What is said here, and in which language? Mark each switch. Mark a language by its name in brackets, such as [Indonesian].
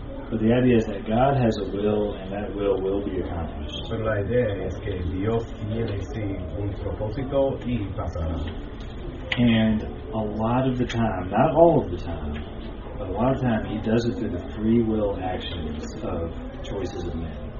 [English] But the idea is that God has a will and that will be accomplished. [Spanish] Pero la idea es que Dios tiene sí un propósito y pasará. [English] And a lot of the time, not all of the time, but a lot of time, he does it through the free will actions of choices of men.